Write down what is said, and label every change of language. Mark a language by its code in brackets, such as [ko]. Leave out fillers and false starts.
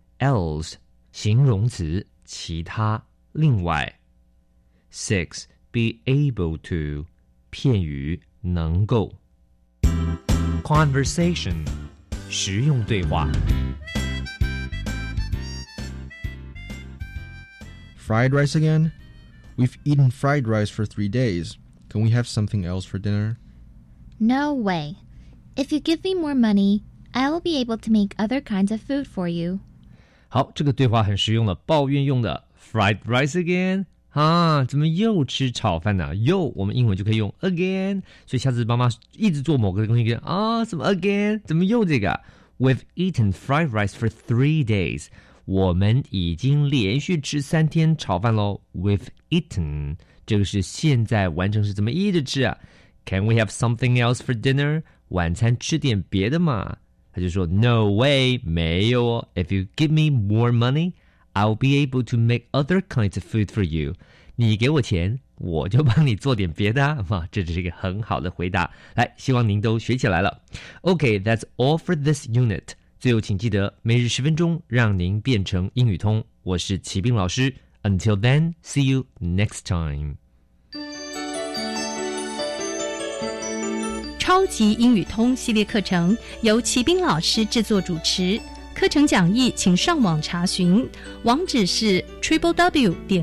[zh] Else, 形容词其他另外 6. Be able to, 片语能够 Conversation, 实用对话 [en] Fried rice again? We've eaten fried rice for 3 days. Can we have something else for dinner? No way. If you give me more money, I will be able to make other kinds of food for you. [zh] 好，这个对话很实用的，抱怨用的。 [en] Fried rice again? [zh] 啊，怎么又吃炒饭呢？又，我们英文就可以用 again. 所以下次妈妈一直做某个东西，啊，怎么 again? 怎么又这个？ [en] We've eaten fried rice for 3 days. [zh] 我们已经连续吃三天炒饭咯。 [en] We've eaten [zh] 这个是现在完成时，怎么一直吃啊？ [en] Can we have something else for dinner? [zh] 晚餐吃点别的嘛。他就说 [en] No way [zh] 没有哦。 [en] If you give me more money I'll be able to make other kinds of food for you [zh] 你给我钱我就帮你做点别的啊。这只是一个很好的回答，来，希望您都学起来了。 [en] OK, that's all for this unit。 [zh] 最后请记得每日十分钟，让您变成英语通。我是齐兵老师。 [en] Until then, see you next time. [zh] 超级英语通系列课程由齐兵老师制作主持，课程讲义请上网查询，网址是 www.ner.gov.tw。